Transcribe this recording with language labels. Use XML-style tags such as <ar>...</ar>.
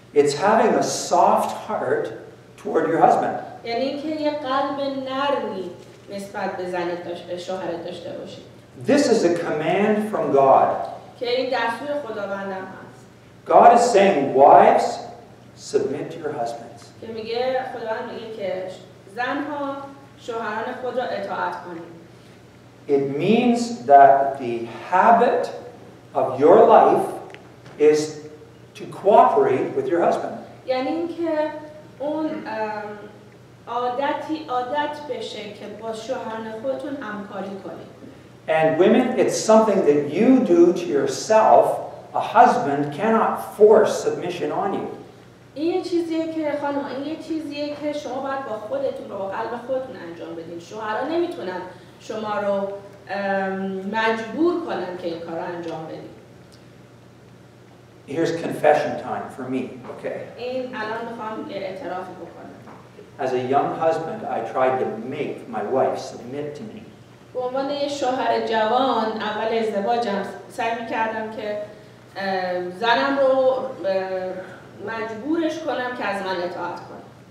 <en>It's having a soft heart toward your husband.</en> <fa>یعنی که یه قلب نرمی نسبت به زنت داشته شوهرت داشته باشی.</fa> <en>This is a command from God.</en> <fa>که این دستور خداوند هست.</fa> <en>God is saying, wives, submit to your husbands.</en> <fa>که میگه خداوند میگه که زنها شوهران خود را اطاعت کنید.</fa> <en>It means that the habit of your life is to cooperate with your husband.</en> <fa>یعنی که اون عادتی عادت بشه که با شوهران خودتون همکاری کنید.</fa> <en>And women, it's something that you do to yourself. A husband cannot force submission on you.</en> <fa>این چیزیه که خانم، این چیزیه که شما باید با خودتون و قلب خودتون انجام بدین. شوهران نمیتونن شما رو مجبور کنن که این کارو انجام بدین.</fa> <en>Here's confession time for me, okay?</en> <fa>این الان میخوام اعتراف بکنم.</fa> <en>As a young husband, I tried to make my wife submit to me.</en> <fa>به عنوان شوهر جوان اول ازدواجم سعی میکردم که زنم رو مجبورش کنم که از من اطاعت کنه.</fa>